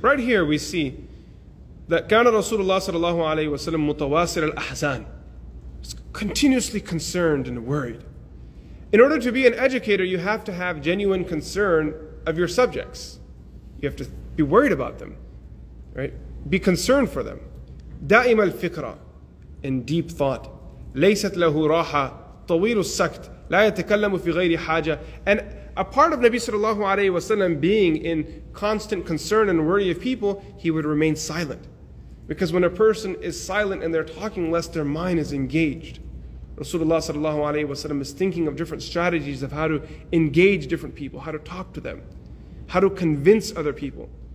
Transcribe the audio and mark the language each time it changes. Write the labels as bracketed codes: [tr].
[en] Right here we see that [ar] كان رسول الله صلى الله عليه وسلم متواصل الأحزان, [en] continuously concerned and worried. In order to be an educator, you have to have genuine concern of your subjects. You have to be worried about them, right? Be concerned for them. [ar] دائم الفكرة, [en] in deep thought. [ar] ليست له راحة طويل السكت لا يتكلم في غير حاجة. [en] And a part of Nabi sallallahu alayhi wa sallam being in constant concern and worry of people, he would remain silent. Because when a person is silent and they're talking less, their mind is engaged. Rasulullah sallallahu alayhi wa sallam is thinking of different strategies of how to engage different people, how to talk to them, how to convince other people.